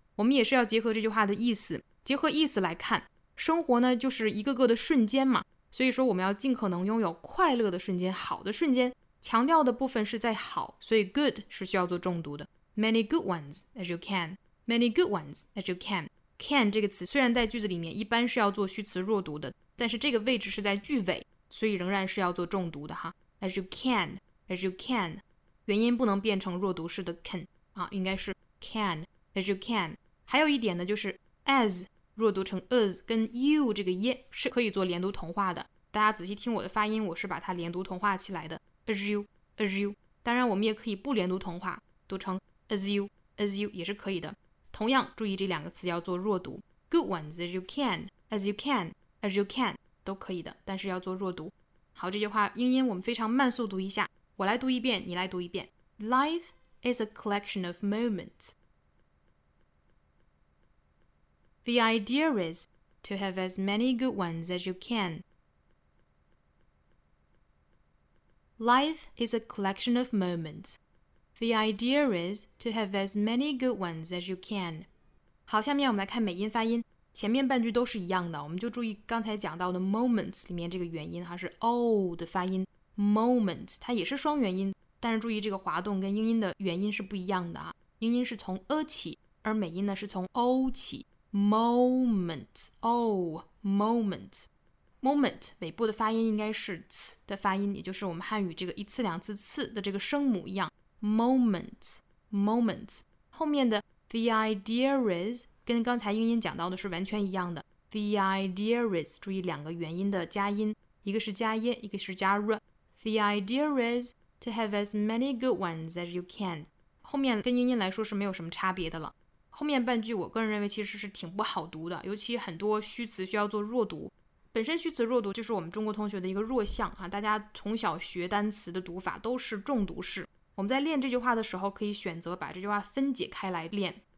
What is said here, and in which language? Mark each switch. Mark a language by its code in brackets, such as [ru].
[zh] 我们也是要结合这句话的意思，结合意思来看，生活呢就是一个个的瞬间嘛，所以说我们要尽可能拥有快乐的瞬间，好的瞬间，强调的部分是在好，所以 good 是需要做重读的。 [en] Many good ones as you can, many good ones as you can。 [zh] Can 这个词虽然在句子里面一般是要做虚词弱读的，但是这个位置是在句尾，所以仍然是要做重读的哈。 [en] As you can, as you can， [zh] 元音不能变成弱读式的 can 啊，应该是 [en] can as you can。 [zh] 还有一点呢，就是 as 弱读成 as， 跟 you 这个 ye 是可以做连读同化的。大家仔细听我的发音，我是把它连读同化起来的。 [en] As you, as you。 [zh] 当然，我们也可以不连读同化，读成 [en] as you, as you [zh] 也是可以的。同样注意这两个词要做弱读， [en] good ones as you can, [zh] as you can, as you can 都可以的，但是要做弱读。好，这句话英音我们非常慢速读一下，我来读一遍，你来读一遍。 [en] Life is a collection of moments. The idea is to have as many good ones as you can. Life is a collection of moments. The idea is to have as many good ones as you can. [zh] 好，下面我们来看美音发音，前面半句都是一样的，我们就注意刚才讲到的 moments 里面这个元音还是 o 的发音。 moment 它也是双元音，但是注意这个滑动跟英音的元音是不一样的啊。英音是从 a 起，而美音呢是从 o 起。 moment o moment moment 尾部的发音应该是 c 的发音，也就是我们汉语这个一次两次次的这个声母一样。 [en] Moments, moments. [zh] 后面的 [en] the idea is [zh] 跟刚才英音讲到的是完全一样的。 [en] The idea is [zh] 注意两个元音的加音，一个是加耶，一个是加热。 [en] The idea is to have as many good ones as you can. [zh] 后面跟英音来说是没有什么差别的了。后面半句我个人认为其实是挺不好读的，尤其很多虚词需要做弱读。本身虚词弱读就是我们中国同学的一个弱项啊，大家从小学单词的读法都是重读式。我们在练这句话的时候可以选择把这句话分解开来练。